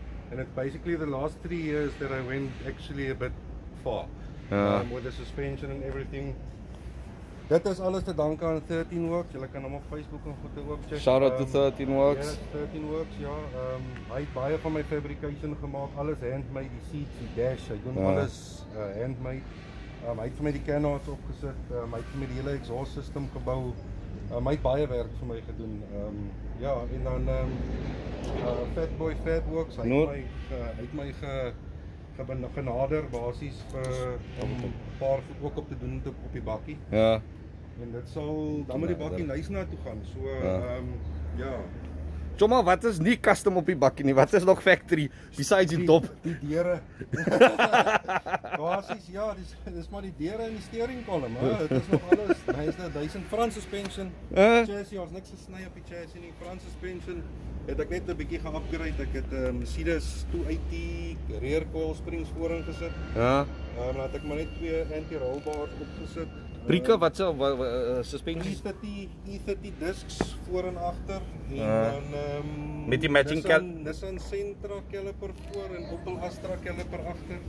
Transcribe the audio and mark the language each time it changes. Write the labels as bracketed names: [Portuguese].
[English] And it's basically the last 3 years that I went actually a bit far. With the suspension and everything. [Afrikaans] Dit is alles te danke aan 13 Works. Jy kan hom op Facebook en goede ook check. [English] Shout out to 13 Works. Yes, 13 Works, ja. [Afrikaans] Hy het baie van my fabrication gemaak. Alles handmade, die seats, die dash. Hy doen alles handmade. Hy het vir my die canards opgesit. Hy het vir my die hele exhaust system gebou. Hy het baie werk vir my gedoen. Ja, en dan Fat Boy Fat Works. Hy het my genader basis vir om 'n paar voet ook op te doen op die bakkie. Ja. En dit sal dan met die bakkie nice na toe gaan. So ja. Choma, wat is nie custom op die bakkie nie? Wat is nog factory besides die top? Die deure. Basis ja, dis maar die deure en die steering kolom, hè. Dit is nog alles. Hy's 1000 Frans suspension. Chassis, ons niks gesny op die chassis nie. Frans suspension. Het ek net 'n bietjie ge-upgrade. Ek het 'n Mercedes 280 rear coil springs voorin gesit. Ja. Dan het ek maar net 2 anti-roll bars opgesit. Brieke, wat se suspensie? E30 discs voor en agter en dan met die matching Nissan Sentra caliper voor en Opel Astra caliper agter.